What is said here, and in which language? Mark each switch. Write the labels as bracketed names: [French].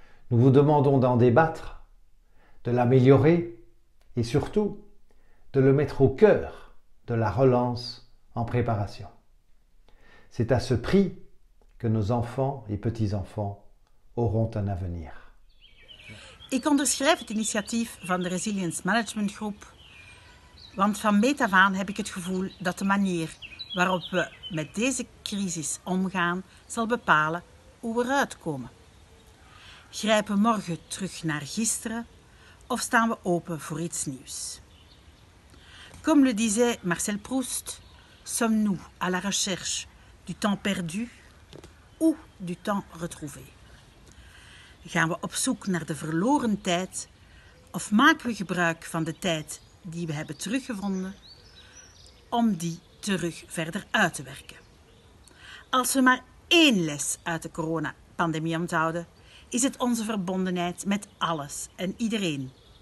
[French] Nous vous demandons d'en débattre, de l'améliorer et surtout de le mettre au cœur de la relance en préparation. C'est à ce prix que nos enfants et petits-enfants auront un avenir. [Dutch] Ik onderschrijf het initiatief van de Resilience Management Group, want van meet af aan heb ik het gevoel dat de manier waarop we met deze crisis omgaan, zal bepalen hoe we eruit komen. Grijpen we morgen terug naar gisteren of staan we open voor iets nieuws? [French] Comme le disait Marcel Proust, sommes-nous à la recherche du temps perdu ou du temps retrouvé? [Dutch] Gaan we op zoek naar de verloren tijd of maken we gebruik van de tijd die we hebben teruggevonden om die terug verder uit te werken. Als we maar één les uit de coronapandemie onthouden, is het onze verbondenheid met alles en iedereen.